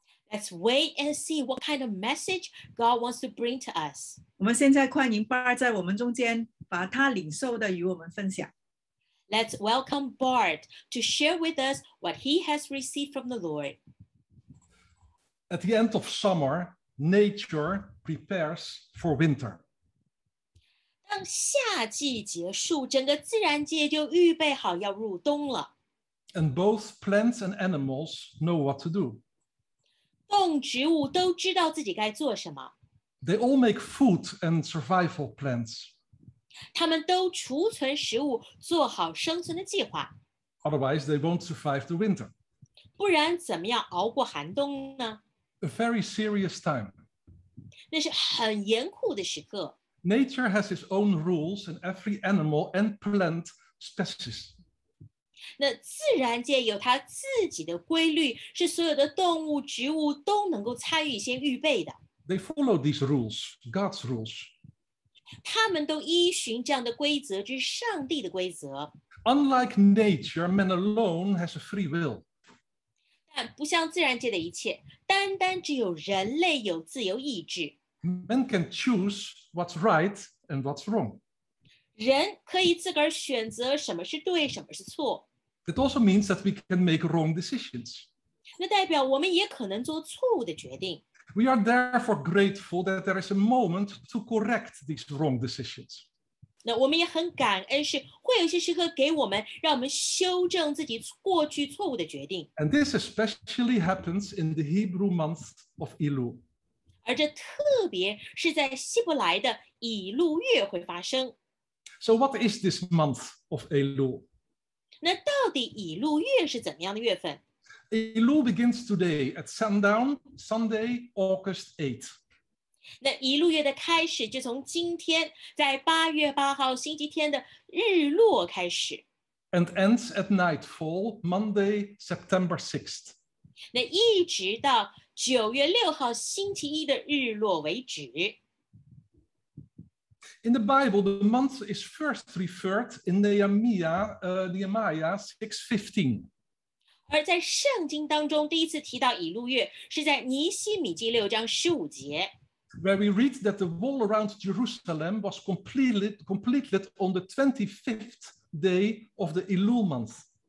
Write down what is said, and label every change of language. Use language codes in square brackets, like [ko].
[en] Let's wait and see what kind of message God wants to bring to us. [zh] 我们现在欢迎Bart在我们中间把他领受的与我们分享。 [en] Let's welcome Bart to share with us what he has received from the Lord. At the end of summer, nature prepares for winter. [zh] 当夏季结束，整个自然界就预备好要入冬了。 [en] And both plants and animals know what to do. [zh] 动植物都知道自己该做什么。 [en] They all make food and survival plans. [zh] 他们都储存食物，做好生存的计划。 [en] Otherwise, they won't survive the winter. [zh] 不然怎么样熬过寒冬呢？ [en] A very serious time. [zh] 那是很严酷的时刻。 [en] Nature has its own rules, and every animal and plant specifies. [zh] 那自然界有它自己的规律，是所有的动物、植物都能够参与、先预备的。 [en] They follow these rules, God's rules. [zh] 他们都依循这样的规则，就是上帝的规则。 [en] Unlike nature, man alone has a free will. [zh] 但不像自然界的一切，单单只有人类有自由意志。 [en] Man can choose what's right and what's wrong. [zh] 人可以自个儿选择什么是对，什么是错。 [en] It also means that we can make wrong decisions. [zh] 那代表我们也可能做错误的决定。 [en] We are therefore grateful that there is a moment to correct these wrong decisions. [zh] 那我们也很感恩，是会有些时刻给我们，让我们修正自己过去错误的决定。 [en] And this especially happens in the Hebrew month of Elul. [zh] 而这特别是在希伯来的以路月会发生。 [en] So what is this month of Elul? [zh] 那到底以路月是怎么样的月份？ [en] Elul begins today at sundown, Sunday, August 8th. [zh] 那以路月的开始就从今天，在八月八号星期天的日落开始。 [en] And ends at nightfall, Monday, September 6th. [zh] 那一直到九月六号星期一的日落为止。 [en] In the Bible, the month is first referred in Nehemiah 6:15. [zh] 而在圣经当中，第一次提到以路月是在尼希米记六章十五节。 [en] Where we read that the wall around Jerusalem was completed on the 25th day of the Elul month.